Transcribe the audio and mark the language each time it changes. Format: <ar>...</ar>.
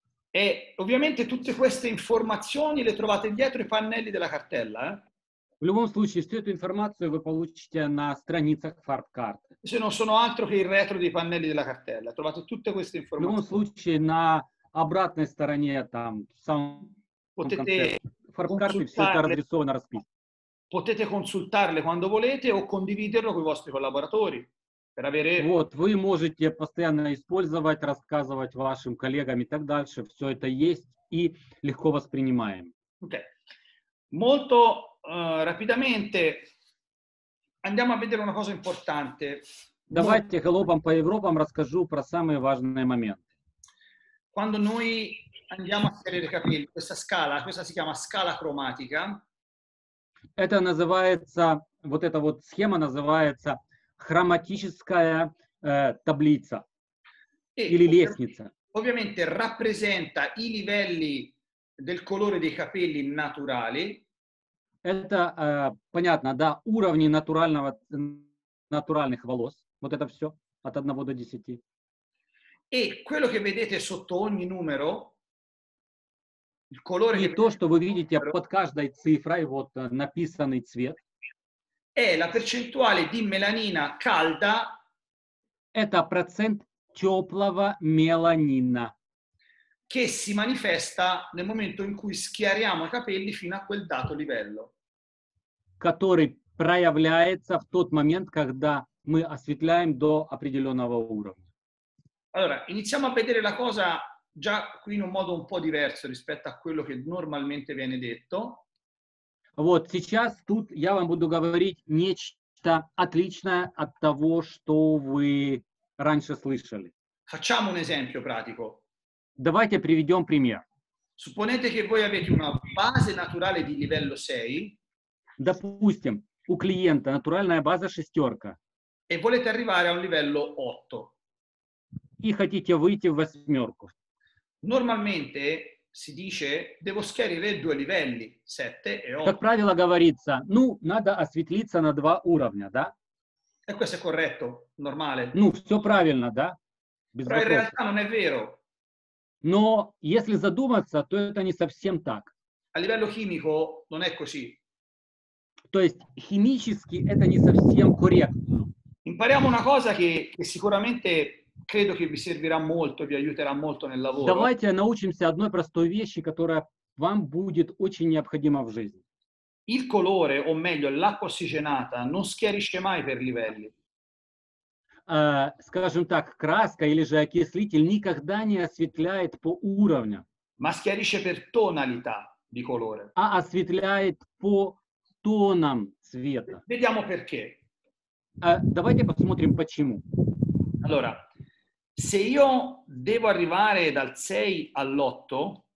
<it>E ovviamente tutte queste informazioni le trovate dietro i pannelli della cartella.</it> <ru>В любом случае, всю эту информацию вы получите на страницах фарт-карты.</ru> <it>Se non sono altro che il retro dei pannelli della cartella. Trovate tutte queste informazioni.</it> <ru>В любом случае, на обратной стороне там, в самом конце фарт-карты, все это адресовано, расписано.</ru> <it>Potete consultarle quando volete o condividerlo con i vostri collaboratori. Per avere...</it> <ru>Вот, вы можете постоянно использовать, рассказывать вашим коллегам и так дальше. Все это есть и легко воспринимаем. Okay.</ru> <it>Molto rapidamente andiamo a vedere una cosa importante.</it> <ru>Давайте галопом по Европам расскажу про самые важные моменты.</ru> <it>Quando noi andiamo a schiarire i capelli, questa scala, questa si chiama scala cromatica.</it> <ru>Это называется, вот эта вот схема называется хроматическая таблица или лестница.</ru> <it>Ovviamente rappresenta i livelli del colore dei capelli naturali.</it> <ru>Это понятно, да, уровни натурального натуральных волос. Вот это все от 1 до 10.</ru> <it>E quello che vedete sotto ogni numero il colore</it> <ru>и то, что вы видите numero, под каждой цифрой, вот написанный цвет.</ru> <it>È la percentuale di melanina calda.</it> <ru>Это процент теплого меланина.</ru> <it>Che si manifesta nel momento in cui schiariamo i capelli fino a quel dato livello.</it> <ru>Который проявляется в тот момент, когда мы осветляем до определенного уровня.</ru> <it>Allora, iniziamo a vedere la cosa già qui in un modo un po' diverso rispetto a quello che normalmente viene detto.</it> <ru>Вот сейчас тут я вам буду говорить нечто отличное от того, что вы раньше слышали.</ru> <it>Facciamo un esempio pratico.</it> <ru>Давайте приведем пример.</ru> <it>Supponete che voi avete una base naturale di livello 6.</it> <ru>Допустим, у клиента натуральная база шестерка.</ru> <it>E volete arrivare a un livello 8.</it> <ru>И хотите выйти в восьмерку.</ru> <it>Normalmente si dice devo schiarire due livelli, 7 e 8.</it> <ru>Как правило говорится, ну, надо осветлиться на два уровня, да?</ru> <it>E questo è corretto, normale.</it> <ru>Ну, все правильно, да? Без вопросов.</ru> <it>Però in realtà non è vero.</it> <ru>Но если задуматься, то это не совсем так.</ru> <it>A livello chimico non è così.</it> <ru>То есть химически это не совсем корректно.</ru> <it>Impariamo una cosa che sicuramente credo che vi servirà molto, vi aiuterà molto nel lavoro.</it> <ru>Давайте научимся одной простой вещи, которая вам будет очень необходима в жизни.</ru> <it>Il colore, o meglio, l'acqua ossigenata non schiarisce mai per livelli.</it> <ru>Скажем так, краска или же окислитель никогда не осветляет по уровню.</ru> <it>Ma schiarisce per tonalità di colore.</it> <ru>А осветляет по тонам цвета.</ru> <it>Vediamo perché.</it> <ru>Давайте посмотрим почему.</ru> <it>Allora, se io devo arrivare dal 6 all'8,</it>